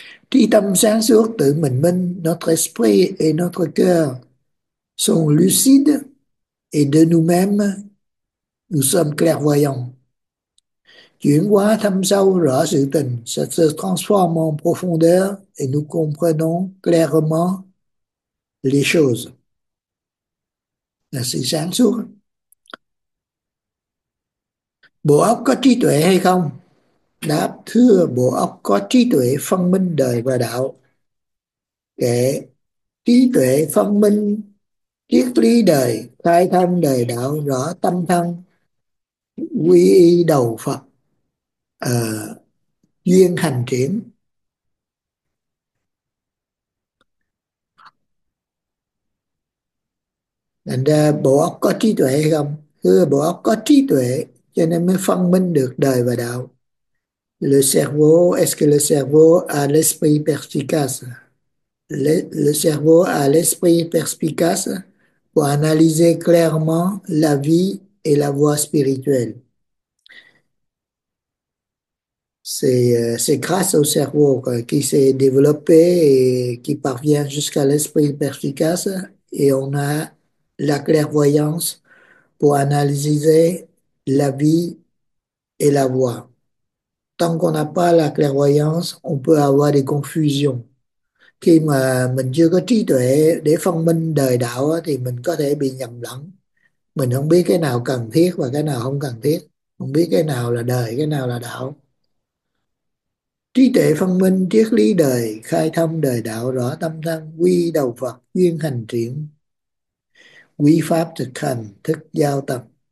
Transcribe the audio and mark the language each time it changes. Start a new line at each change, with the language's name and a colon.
Vietnamese: Trí tâm sáng suốt tự mình minh,
French: notre esprit et notre cœur sont lucides et de nous-mêmes, nous sommes clairvoyants.
Vietnamese: Chuyển hóa thâm sâu rõ sự tình,
French: ça se transforme en profondeur et nous comprenons clairement les choses.
Vietnamese: Là sự sáng suốt. Bộ óc có trí tuệ hay không? Đáp, thưa, bộ óc có trí tuệ phân minh đời và đạo. Kệ, trí tuệ phân minh triết lý đời, khai thông đời đạo, rõ tâm thân, quy y đầu Phật, duyên hành triển. Thành ra bộ óc có trí tuệ hay không? Thưa, bộ óc có trí tuệ cho nên mới phân minh được đời và đạo.
French: Est-ce que le cerveau a l'esprit perspicace? Le cerveau a l'esprit perspicace pour analyser clairement la vie et la voie spirituelle. C'est grâce au cerveau qui s'est développé et qui parvient jusqu'à l'esprit perspicace et on a la clairvoyance pour analyser la vie et la voie. Tant qu'on n'a pas la clairvoyance, on peut avoir des confusions.
Vietnamese: Khi mà mình chưa có trí tuệ để phân minh đời đạo thì mình có thể bị nhầm lẫn. Mình không biết cái nào cần thiết và cái nào không cần thiết. Không biết cái nào là đời, cái nào là đạo. Trí tuệ phân minh, triết lý đời, khai thông đời đạo, rõ tâm thân, quy đầu Phật, duyên hành triển, quy pháp thực hành, thức giao tập.